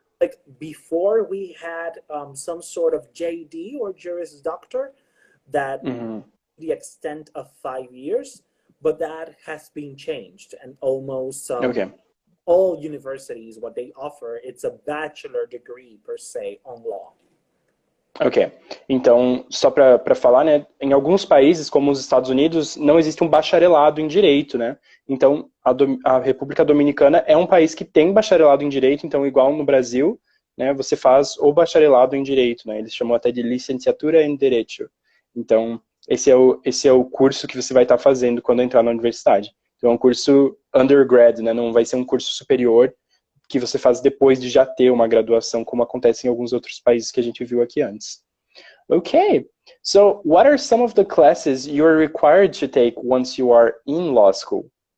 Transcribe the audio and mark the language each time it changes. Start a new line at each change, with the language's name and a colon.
English: Like before we had some sort of JD or Juris Doctor that the extent of 5 years, but that has been changed and almost all universities, what they offer, it's a bachelor degree per se on law. Okay.
Portuguese: Então, só para falar, né, em alguns países, como os Estados Unidos, não existe um bacharelado em direito, né? Então, a República Dominicana é um país que tem bacharelado em direito, então, igual no Brasil, né, você faz o bacharelado em direito, né? Eles chamam até de licenciatura em direito. Então, esse é o curso que você vai estar fazendo quando entrar na universidade. Então, é um curso undergrad, né? Não vai ser um curso superior, que você faz depois de já ter uma graduação, como acontece em alguns outros países que a gente viu aqui antes.
English: Okay, so what are some of the classes you are required to take once you are in law school?